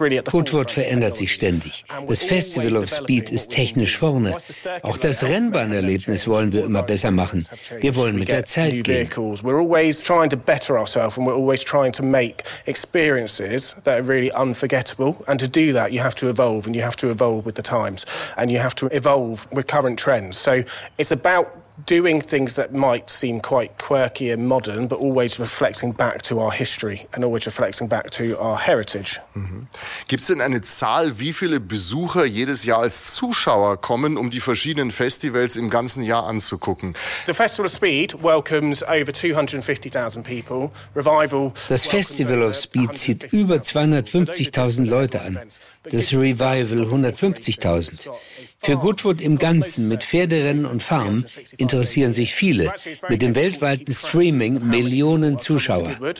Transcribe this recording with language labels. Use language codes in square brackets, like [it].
[de] Goodwood verändert sich ständig. Das Festival of Speed ist technisch vorne. Auch das Rennbahnerlebnis wollen wir immer besser machen. Wir wollen mit der Zeit gehen. [en] We're always trying to better ourselves and we're always trying to make experiences that are really unforgettable. And to do that, you have to evolve and you have to evolve with the times and you have to evolve with current trends. So it's about doing things that might seem quite quirky and modern, but always reflecting back to our history and always reflecting back to our heritage. Mhm. [de] Gibt's denn eine Zahl, wie viele Besucher jedes Jahr als Zuschauer kommen, um die verschiedenen Festivals im ganzen Jahr anzugucken? [en] The Festival of Speed welcomes over 250,000 people. Revival. [de] Das Festival of Speed zieht über 250,000 Leute an. Das Revival 150,000. Für Goodwood im Ganzen mit Pferderennen und Farm interessieren sich viele. Mit dem weltweiten Streaming Millionen Zuschauer.